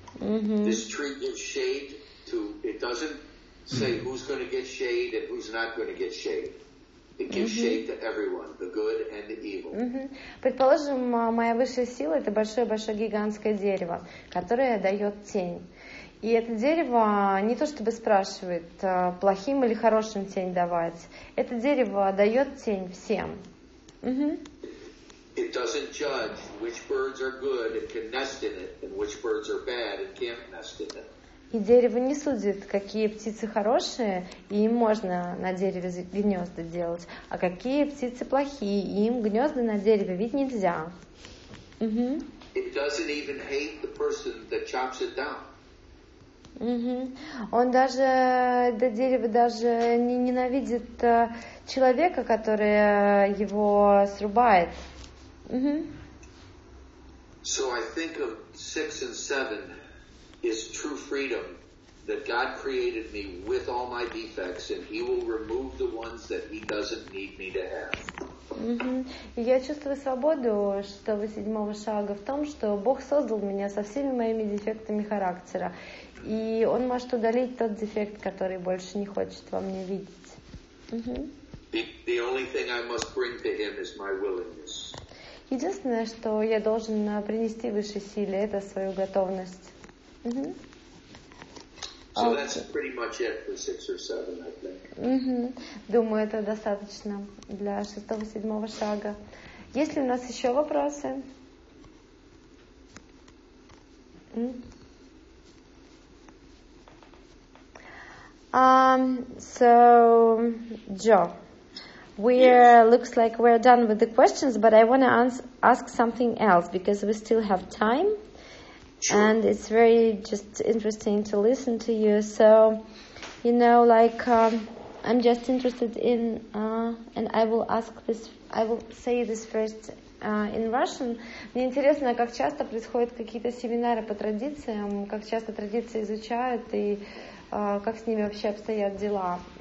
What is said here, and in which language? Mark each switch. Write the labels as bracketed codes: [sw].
[en] This tree gives shade to, it doesn't say who's going to get shade and who's not going to get shade. It gives shade to everyone, the good and the evil. [ru] Предположим, моя высшая сила – это большое-большое гигантское дерево, которое дает тень. И это дерево не то чтобы спрашивает, плохим или хорошим тень давать. Это дерево дает тень всем. [en] It doesn't judge which birds are good and can nest in it, and which birds are bad and can't nest in it. [ru] И дерево не судит, какие птицы хорошие, и им можно на дереве гнезда делать, а какие птицы плохие, и им гнезда на дереве ведь нельзя. [en] It doesn't even hate the person that chops it down. [ru] Он даже, это дерево даже не ненавидит человека, который его срубает. [en] So I think of six and seven. Is true freedom that God created me with all my defects, and He will remove the ones that He doesn't need me to have. [ru] Я чувствую свободу шестого седьмого шага в том, что Бог создал меня со всеми моими дефектами характера, и Он может удалить тот дефект, который больше не хочет во мне видеть. [en] The only thing I must bring to Him is my willingness. [ru] Единственное, что я должен принести высшей силе, это свою готовность. [en] So that's pretty much it for six or seven, I think. [ru] Думаю, это достаточно для шестого-седьмого шага. Есть ли у нас еще вопросы? [en] So, Joe, looks like we're done with the questions, but I want to ask something else because we still have time. Sure. And it's very just interesting to listen to you. So, you know, I'm just interested in, and I will ask this, I will say this first in Russian. [ru] Мне интересно, как часто происходят какие-то семинары по традициям, как часто традиции изучают, и как с ними вообще обстоят дела.